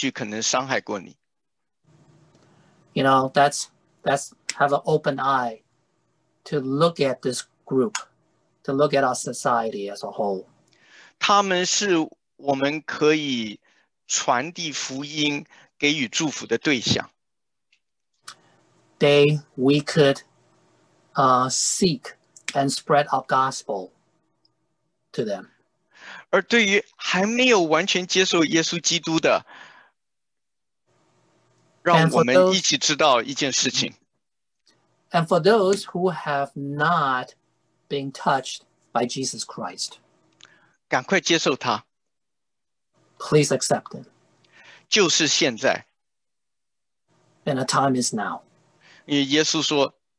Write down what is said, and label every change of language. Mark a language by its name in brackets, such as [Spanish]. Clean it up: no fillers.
[Chinese] 让我们以一个新的眼界、新的心态去看我们周遭的群体，就算这些群体过去可能伤害过你。 [English] You know, that's have an open eye. To look at this group, to look at our society as a whole. [Chinese] 他们是我们可以传递福音、给予祝福的对象。 [English] They we could seek and spread our gospel to them. [Chinese] 而对于还没有完全接受耶稣基督的，让我们一起知道一件事情。 [English] And for those who have not been touched by Jesus Christ, [Chinese] 赶快接受他, [English] please accept it. [Chinese] 就是现在, [English] and the time is now. [Chinese] 耶稣说,